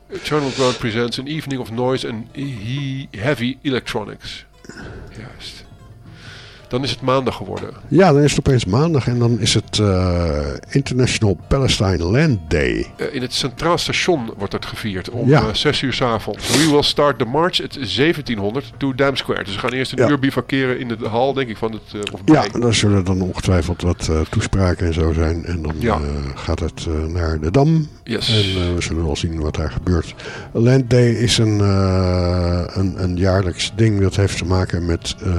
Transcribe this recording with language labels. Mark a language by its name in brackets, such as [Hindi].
[English] Eternal Ground presents an evening of noise and heavy electronics. [Dutch] Juist. Dan is het maandag geworden. Ja, dan is het opeens maandag en dan is het International Palestine Land Day. In het Centraal Station wordt dat gevierd om 6 uur 's avonds. [English] We will start the march at 1700 to Dam Square. [Dutch] Dus we gaan eerst een uur bivakeren in de hal, denk ik, van het... Ja, daar zullen dan ongetwijfeld wat toespraken en zo zijn. En dan gaat het naar de Dam. [English] Yes. [Dutch] En we zullen wel zien wat daar gebeurt. Land Day is een jaarlijks ding dat heeft te maken met...